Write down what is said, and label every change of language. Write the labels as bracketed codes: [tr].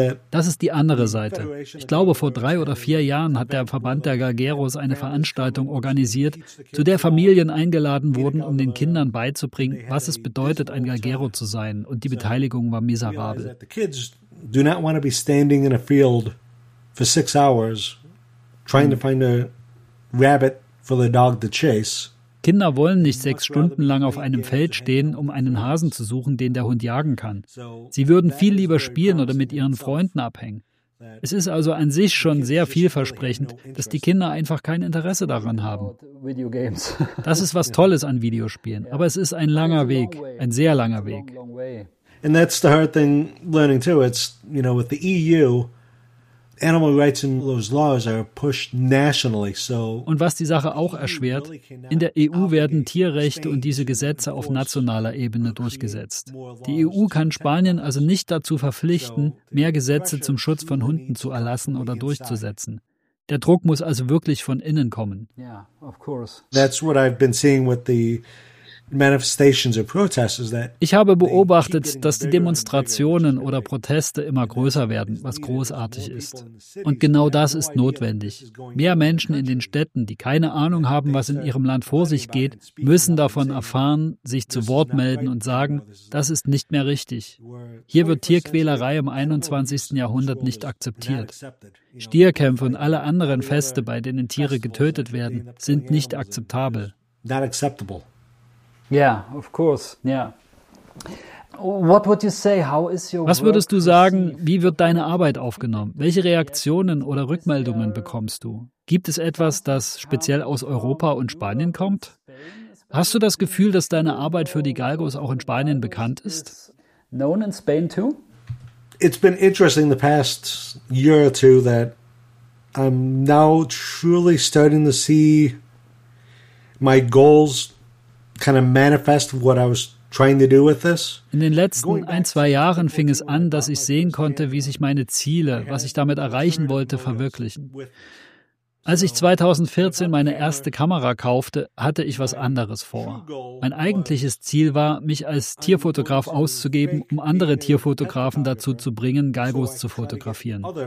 [de] Das ist die andere Seite. Ich glaube, vor 3 oder 4 Jahren hat der Verband der Galgeros eine Veranstaltung organisiert, zu der Familien eingeladen wurden, um den Kindern beizubringen, was es bedeutet, ein Galgero zu sein. Und die Beteiligung war miserabel. [en] The kids do not want to be standing in a field for 6 hours trying to find a rabbit for the dog to chase. [de] Kinder wollen nicht 6 Stunden lang auf einem Feld stehen, um einen Hasen zu suchen, den der Hund jagen kann. Sie würden viel lieber spielen oder mit ihren Freunden abhängen. Es ist also an sich schon sehr vielversprechend, dass die Kinder einfach kein Interesse daran haben. Das ist was Tolles an Videospielen, aber es ist ein langer Weg, ein sehr langer Weg. [en] And that's the hard thing learning too. It's, you know, with the EU, animal rights and those laws are pushed nationally. So, [de] und was die Sache auch erschwert, in der EU werden Tierrechte und diese Gesetze auf nationaler Ebene durchgesetzt. Die EU kann Spanien also nicht dazu verpflichten, mehr Gesetze zum Schutz von Hunden zu erlassen oder durchzusetzen. Der Druck muss also wirklich von innen kommen. [en] Yeah, of course. That's what I've been seeing with the manifestations or protests is that [de] ich habe beobachtet, dass die Demonstrationen oder Proteste immer größer werden, was großartig ist. Und genau das ist notwendig. Mehr Menschen in den Städten, die keine Ahnung haben, was in ihrem Land vor sich geht, müssen davon erfahren, sich zu Wort melden und sagen, das ist nicht mehr richtig. Hier wird Tierquälerei im 21. Jahrhundert nicht akzeptiert. Stierkämpfe und alle anderen Feste, bei denen Tiere getötet werden, sind nicht akzeptabel. [en] Not acceptable. Yeah, of course. Yeah. What would you say? How is your [de] Was würdest du sagen, wie wird deine Arbeit aufgenommen? Welche Reaktionen oder Rückmeldungen bekommst du? Gibt es etwas, das speziell aus Europa und Spanien kommt? Hast du das Gefühl, dass deine Arbeit für die Galgos auch in Spanien bekannt ist? [en] Known in Spain too? It's been interesting the past year or two that I'm now truly starting to see my goals kind of manifest what I was trying to do with this. [de] In den letzten 1-2 Jahren fing es an, dass ich sehen konnte, wie sich meine Ziele, was ich damit erreichen wollte, verwirklichen. Als ich 2014 meine erste Kamera kaufte, hatte ich was anderes vor. Mein eigentliches Ziel war, mich als Tierfotograf auszugeben, um andere Tierfotografen dazu zu bringen, Galgos zu fotografieren.